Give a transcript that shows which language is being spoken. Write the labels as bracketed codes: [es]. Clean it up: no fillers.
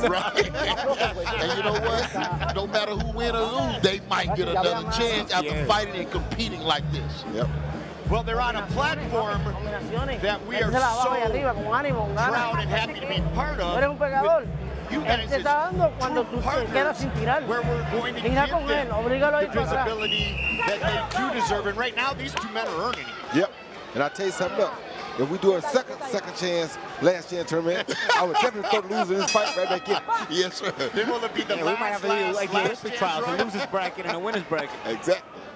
[en] Right. And you know what? No matter who win or lose, they might get another chance after fighting and competing like this. Yep. Well, they're on a platform that we are so proud and happy to be part of. You guys [es] está dando cuando tú quedas sin tirar. Mira con él, obligalo a ir para atrás. [en] And right now these two men are earning it. Yep. And I tell you something else. If we do a second chance, last chance tournament, I would definitely throw the loser in this fight right back in. Yes, sir. Then will it be the last chance? We might have to do like the trials, a loser's bracket and a winner's bracket. Exactly.